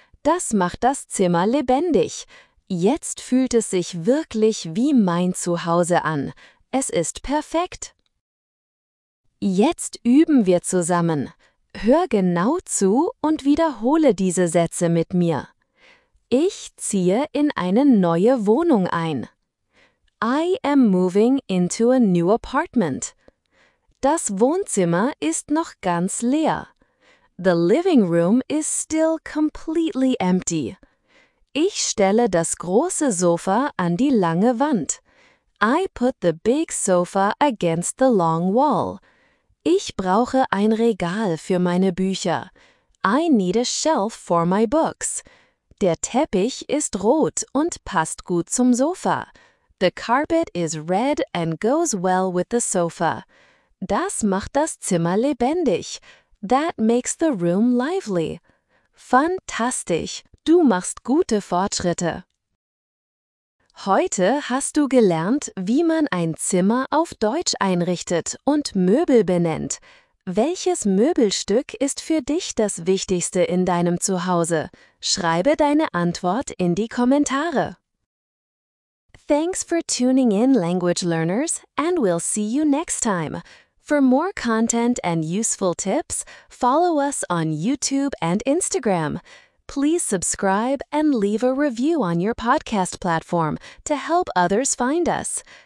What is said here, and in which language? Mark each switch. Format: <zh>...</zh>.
<de>Das macht das Zimmer lebendig. Jetzt fühlt es sich wirklich wie mein Zuhause an. Es ist perfekt. Jetzt üben wir zusammen. Hör genau zu und wiederhole diese Sätze mit mir. Ich ziehe in eine neue Wohnung ein.</de> <en>I am moving into a new apartment.</en> <de>Das Wohnzimmer ist noch ganz leer.</de> <en>The living room is still completely empty.</en> <de>Ich stelle das große Sofa an die lange Wand.</de> <en>I put the big sofa against the long wall.</en> <de>Ich brauche ein Regal für meine Bücher.</de> <en>I need a shelf for my books.</en> <de>Der Teppich ist rot und passt gut zum Sofa.</de> <en>The carpet is red and goes well with the sofa.</en> <de>Das macht das Zimmer lebendig.</de> <en>That makes the room lively.</en> <de>Fantastisch! Du machst gute Fortschritte. Heute hast du gelernt, wie man ein Zimmer auf Deutsch einrichtet und Möbel benennt. Welches Möbelstück ist für dich das Wichtigste in deinem Zuhause? Schreibe deine Antwort in die Kommentare.</de> <en>Thanks for tuning in, language learners, and we'll see you next time. For more content and useful tips, follow us on YouTube and Instagram. please subscribe and leave a review on your podcast platform to help others find us.</en>